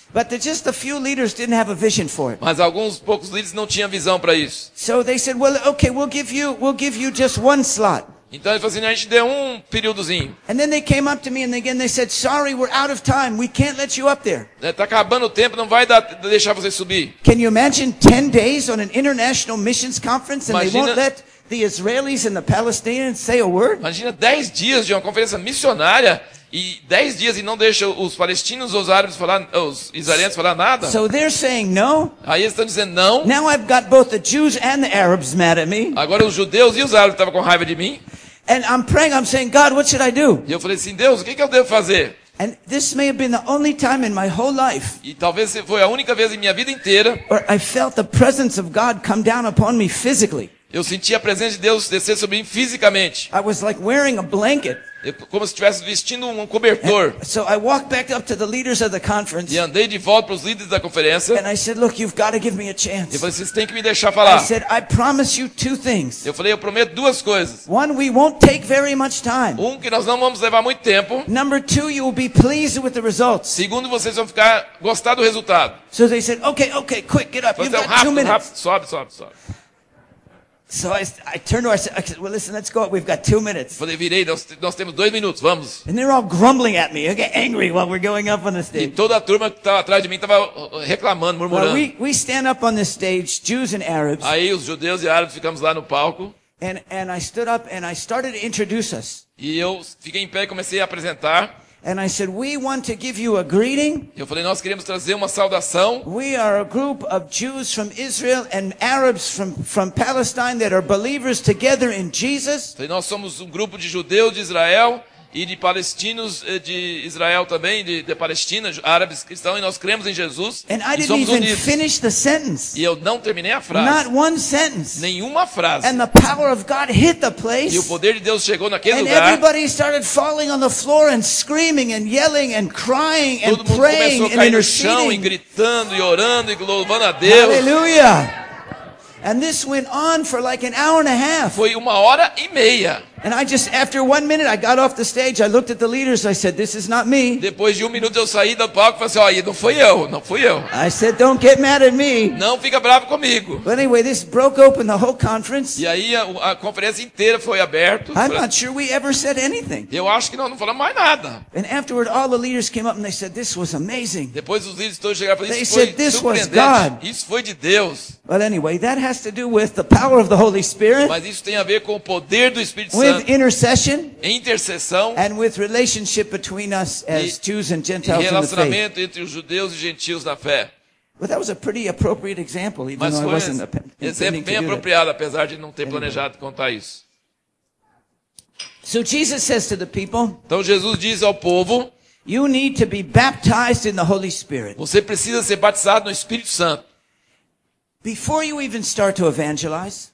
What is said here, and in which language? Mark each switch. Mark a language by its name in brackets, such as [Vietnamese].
[English] But just a few leaders didn't have a vision for it. [Portuguese] Mas alguns poucos líderes não tinham visão para isso. [English] So they said, well, okay, we'll give you just one slot. [Portuguese] Então eles falaram, a gente deu um períodozinho. [English] And then they came up to me and again they said, sorry, we're out of time. We can't let you up there. [Portuguese] Está acabando o tempo, não vai deixar você subir. [English] Can you imagine 10 days on an international missions conference and [Portuguese] imagina, [English] they won't let the Israelis and the Palestinians say a word? [Portuguese] Imagina 10 dias de uma conferência missionária e 10 dias e não deixa os palestinos ou os árabes falar, os israelenses falar nada? [English] So they're saying no. [Portuguese] Aí eles estão dizendo não. [English] Now I've got both the Jews and the Arabs mad at me. [Portuguese] Agora os judeus e os árabes estavam com raiva de mim. [English] And I'm praying, I'm saying, God, what should I do? [Portuguese] E eu falei assim, Deus, o que eu devo fazer? [English] And this may have been the only time in my whole life. [Portuguese] E talvez foi a única vez em minha vida inteira. [English] Where I felt the presence of God come down upon me physically. [Portuguese] Eu senti a presença de Deus descer sobre mim fisicamente. [English] I was like wearing a blanket. [Portuguese] Como se estivesse vestindo um cobertor. [English] So I walked back up to the leaders of the conference. [Portuguese] E andei de volta para os líderes da conferência. [English] And I said, look, you've got to give me a chance. [Portuguese] E falei, vocês têm que me deixar falar. [English] I said, I promise you two things. [Portuguese] Eu falei, eu prometo duas coisas. [English] One, we won't take very much time. [Portuguese] Um, que nós não vamos levar muito tempo. [English] Number two, you will be pleased with the results. [Portuguese] Segundo, vocês vão ficar gostar do resultado. [English] So they said, okay, quick, get up. You've got 2 minutes. [Portuguese] Rápido, sobe. [English] So I turned to her, I said, well, listen, let's go up. We've got 2 minutes. [Portuguese] Falei, virei, nós temos 2 minutes, vamos. [English] And they're all grumbling at me. I get angry while we're going up on the stage. [Portuguese] E toda a turma que estava atrás de mim estava reclamando, murmurando. [English] Well, we stand up on the stage, Jews and Arabs. [Portuguese] Aí os judeus e árabes ficamos lá no palco. [English] And I stood up and I started to introduce us. [Portuguese] E eu fiquei em pé e comecei a apresentar. [English] And I said, we want to give you a greeting. [Portuguese] Eu falei, nós queremos trazer uma saudação. [English] We are a group of Jews from Israel and Arabs from Palestine that are believers together in Jesus. [Portuguese] Falei, nós somos um grupo de judeus de Israel e de palestinos de Israel também, de Palestina, árabes cristãos, e nós cremos em Jesus [English] and [Portuguese] e somos unidos. [English] Finish the sentence. [Portuguese] E eu não terminei a frase. [English] Not one sentence. [Portuguese] Nenhuma frase. [English] And the power of God hit the place. [Portuguese] E o poder de Deus chegou naquele [English] and [Portuguese] lugar. [English] Everybody started falling on the floor and screaming and yelling and crying and praying and interceding. [Portuguese] Todo mundo começou a cair no chão e gritando e orando e louvando a Deus. Aleluia! [English] And this went on for like an hour and a half. [Portuguese] Foi uma hora e meia. [English] And I just, after one minute, I got off the stage. I looked at the leaders. I said, "This is not me." [Portuguese] Depois de um minuto, eu saí do palco e falei: "Olha, não fui eu, não fui eu." [English] I said, "Don't get mad at me." [Portuguese] Não fica bravo comigo. [English] But anyway, this broke open the whole conference. [Portuguese] E aí a conferência inteira foi aberta. [English] I'm not sure we ever said anything. [Portuguese] Eu acho que não falamos mais nada. [English] And afterward, all the leaders came up and they said, "This was amazing." [Portuguese] Depois os líderes todos chegaram e falaram: "Isso foi surpreendente." [English] They said, "This was God." [Portuguese] Isso foi de Deus. [English] But anyway, that has to do with the power of the Holy Spirit. [Portuguese] Mas isso tem a ver com o poder do Espírito Santo. [English] Intercessão and with relationship between us as Jews and Gentiles in the faith. [Portuguese] E relacionamento entre os judeus e gentios na fé. [English] Well, that was a pretty appropriate example, even [Portuguese] Mas [English] though [Portuguese] foi [English] I wasn't [Portuguese] exemplo bem apropriado, apesar de não ter planejado contar isso. [English] So Jesus says to the people, [Portuguese] então Jesus diz ao povo, [English] you need to be baptized in the Holy Spirit. [Portuguese] Você precisa ser batizado no Espírito Santo. [English] Before you even start to evangelize,